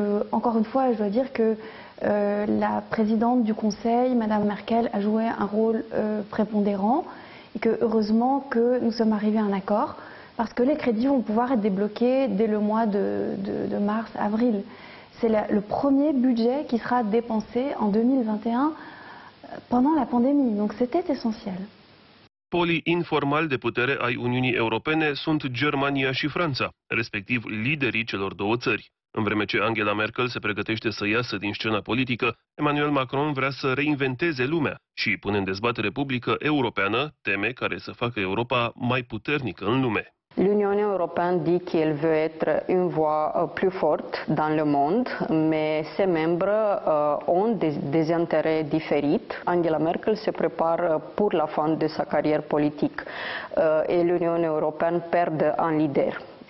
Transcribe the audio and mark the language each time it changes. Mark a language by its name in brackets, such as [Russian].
[French] Encore une fois, je dois dire que la présidente du Conseil, Mme Merkel, a joué un rôle prépondérant et que heureusement que nous sommes arrivés à un accord. Parce que les crédits vont pouvoir être débloqués dès le mois de mars-avril. C'est le premier budget qui sera dépensé en 2021 pendant la pandémie. Donc c'était essentiel. [Romanian] Polii informali de putere ai Uniunii Europene sunt Germania și Franța, respectiv liderii celor două țări. În vreme ce Angela Merkel se pregătește să iasă din scena politică, Emmanuel Macron vrea să reinventeze lumea și pune în dezbatere publică europeană teme care să facă Europa mai puternică în lume. [French] L'Union européenne dit qu'elle veut être une voix plus forte dans le monde, mais ses membres ont des intérêts différents. Angela Merkel se prépare pour la fin de sa carrière politique et l'Union européenne perd un leader.